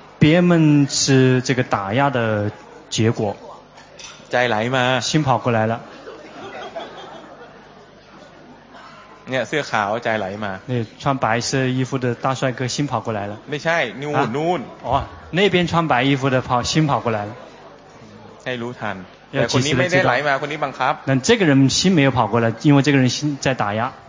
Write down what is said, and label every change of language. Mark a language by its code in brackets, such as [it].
[zh] 憋闷是这个打压的结果 [th] ใจไหลมา [zh] 心跑过来了 [th] เนี่ยเสื้อขาวใจไหลมา [zh] เนี่ย穿白色衣服的大帅哥心跑过来了 [th] ไม่ใช่นู่นนู่น [zh] อ๋อ那边穿白衣服的跑心跑过来了 [th] ให้รู้ทันแต่คนนี้ไม่ได้ไหลมาคนนี้บังคับ [zh] นั่น这个人心没有跑过来因为这个人心在打压